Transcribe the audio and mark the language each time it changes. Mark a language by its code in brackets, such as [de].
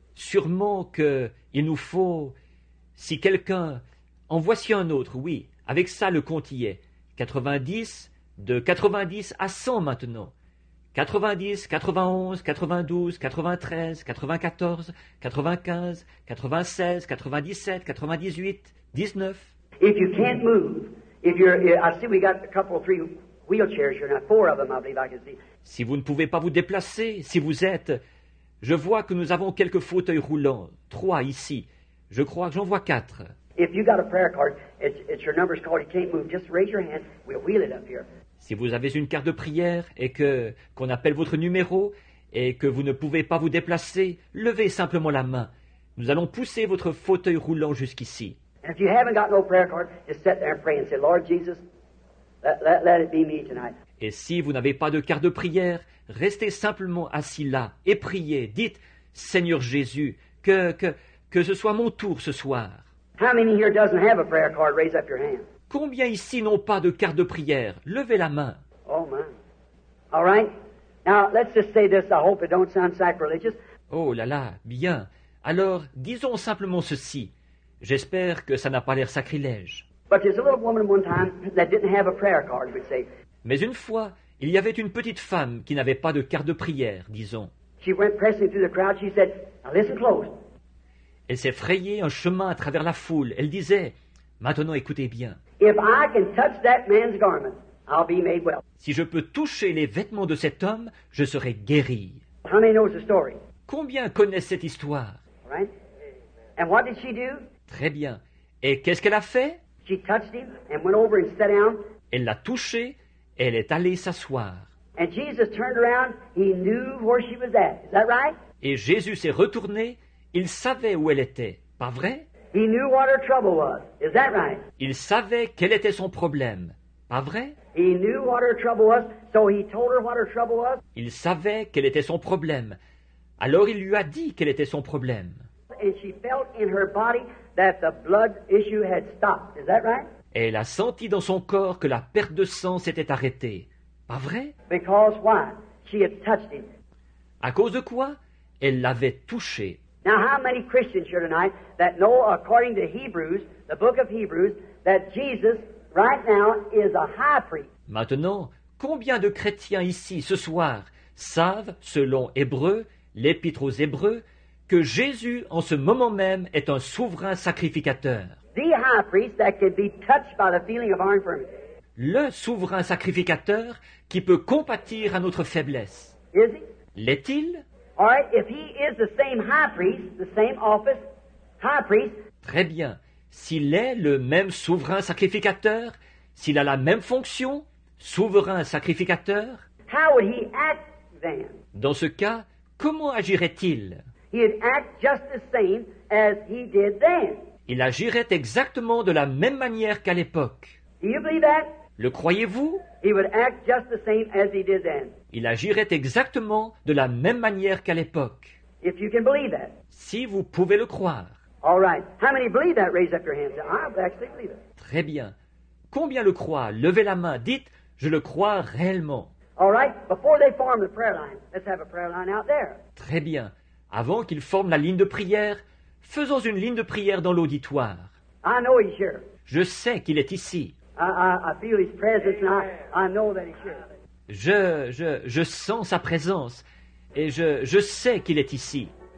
[fr] Sûrement qu'il nous faut, si quelqu'un, en voici un autre, oui, avec ça le compte y est, 90, de 90 à 100 maintenant, 90, 91, 92, 93, 94, 95, 96, 97, 98, 19. [en] If you can't move, if you're, I see we got a couple, three wheelchairs here, now four of them, I believe I can see. [fr] Si vous ne pouvez pas vous déplacer, si vous êtes... Je vois que nous avons quelques fauteuils roulants. Trois ici. Je crois que j'en vois quatre. [en] If you got a prayer card, it's your number's called, you can't move, just raise your hand, we'll wheel it up here. [fr] Si vous avez une carte de prière et qu'on appelle votre numéro et que vous ne pouvez pas vous déplacer, levez simplement la main. Nous allons pousser votre fauteuil roulant jusqu'ici. [en] And if you haven't got no prayer card, just sit there and pray and say, Lord Jesus, let it be me tonight. [fr] Et si vous n'avez pas de cœur de prière, restez simplement assis là et priez. Dites, Seigneur Jésus, que ce soit mon tour ce soir. [en] How many here doesn't have a prayer card? Raise up your hand. [fr] Combien ici n'ont pas de cœur de prière? Levez la main. [en] Oh my. All right. Now let's just say this. I hope it don't sound sacrilegious. [fr] Oh là là, bien. Alors, disons simplement ceci. J'espère que ça n'a pas l'air sacrilège. [en] But there's a little woman one time that didn't have a prayer card, we'd say. [fr] Mais une fois, il y avait une petite femme qui n'avait pas de carte de prière, disons. [en] She went pressing through the crowd. She said, "Now listen close." [fr] Elle s'est frayée un chemin à travers la foule. Elle disait, maintenant écoutez bien. [en] If I can touch that man's garment, I'll be made well. [fr] Si je peux toucher les vêtements de cet homme, je serai guéri. [en] How many knows the story? [fr] Combien connaissent cette histoire? [en] Right. And what did she do? [fr] Très bien. Et qu'est-ce qu'elle a fait? [en] She touched him and went over and sat down. [fr] Elle l'a touché. Elle est allée s'asseoir. [en] And Jesus turned around. He knew where she was at. Is that right? [fr] Et Jésus s'est retourné. Il savait où elle était. Pas vrai? [en] He knew what her trouble was. Is that right? [fr] Il savait quel était son problème. Pas vrai? [en] He knew what her trouble was, so he told her what her trouble was. [fr] Il savait quel était son problème. Alors il lui a dit quel était son problème. [en] And she felt in her body that the blood issue had stopped. Is that right? [fr] Et elle a senti dans son corps que la perte de sang s'était arrêtée. Pas vrai? [en] Because why? She had touched him. [fr] À cause de quoi? Elle l'avait touché. [en] Now how many Christians here tonight that know according to Hebrews, the book of Hebrews, that Jesus right now is a high priest? [fr] Maintenant, combien de chrétiens ici ce soir savent, selon Hébreux, l'épître aux Hébreux, que Jésus en ce moment même est un souverain sacrificateur? [en] The high priest that could be touched by the feeling of our infirmity. [fr] Le souverain sacrificateur qui peut compatir à notre faiblesse. [en] Is he? [fr] L'est-il? [en] All right, if he is the same high priest, the same office, high priest. [fr] Très bien. S'il est le même souverain sacrificateur, s'il a la même fonction, souverain sacrificateur. [en] How would he act then? [fr] Dans ce cas, comment agirait-il? [en] He would act just the same as he did then. [fr] Il agirait exactement de la même manière qu'à l'époque. [en] Do you believe that? [fr] Le croyez-vous? [en] He would act just the same as he did then. [fr] Il agirait exactement de la même manière qu'à l'époque. [en] If you can believe that. [fr] Si vous pouvez le croire. [en] All right. How many believe that? Raise up your hands. I actually believe it. [fr] Très bien. Combien le croient? Levez la main. Dites, je le crois réellement. [en] All right. Before they form the prayer line, let's have a prayer line out there. [fr] Très bien. Avant qu'ils forment la ligne de prière, faisons une ligne de prière dans l'auditoire. [en] I know he's here. [fr] Je sais qu'il est ici. [en] I feel his presence and I know that he's here. [fr] Je sens sa présence et je sais qu'il est ici.